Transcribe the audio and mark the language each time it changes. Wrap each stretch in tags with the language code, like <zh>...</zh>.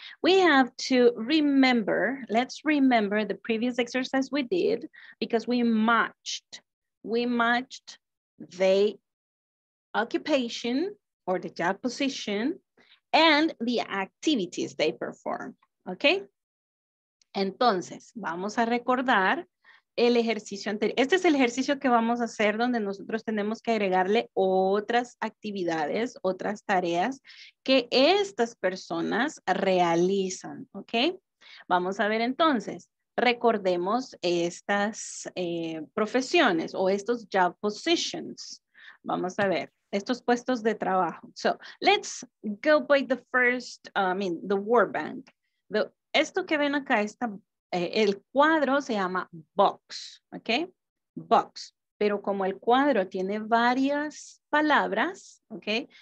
<en>We have to remember, let's remember the previous exercise we did because we matched the occupation or the job position and the activities they perform, okay?</en> <es>Entonces, vamos a recordar el ejercicio anterior. Este es el ejercicio que vamos a hacer donde nosotros tenemos que agregarle otras actividades, otras tareas que estas personas realizan, ¿ok? Vamos a ver entonces, recordemos estas profesiones o estos job positions. Vamos a ver, estos puestos de trabajo.</es> <en>So, let's go by the first, the word bank.</en> <es>Esto que ven acá, esta el cuadro se llama box, ¿ok? Box, pero como el cuadro tiene varias palabras, ¿ok?</es>